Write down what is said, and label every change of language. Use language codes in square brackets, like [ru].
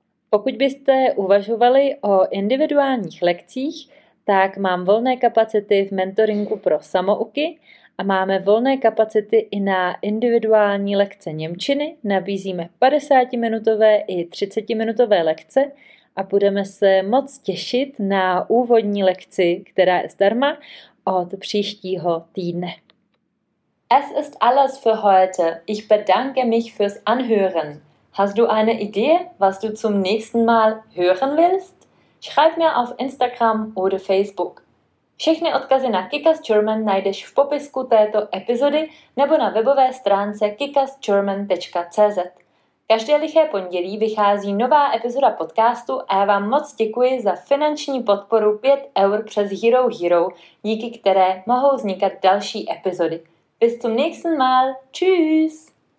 [cs] Pokud byste uvažovali o individuálních lekcích, tak mám volné kapacity v mentoringu pro samouky a máme volné kapacity i na individuální lekce němčiny. Nabízíme 50-minutové i 30-minutové lekce a budeme se moc těšit na úvodní lekci, která je zdarma, od příštího týdne. [de] Es ist alles für heute. Ich bedanke mich fürs Anhören. Hast du eine Idee, was du zum nächsten Mal hören willst? Schreib mir auf Instagram oder Facebook. [cs] Všechny odkazy na Kika z German najdeš v popisku této epizody nebo na webové stránce kikasgerman.cz. Každé liché pondělí vychází nová epizoda podcastu a já vám moc děkuji za finanční podporu 5 eur přes Hero Hero, díky které mohou vznikat další epizody. [de] Bis zum nächsten Mal. Tschüss!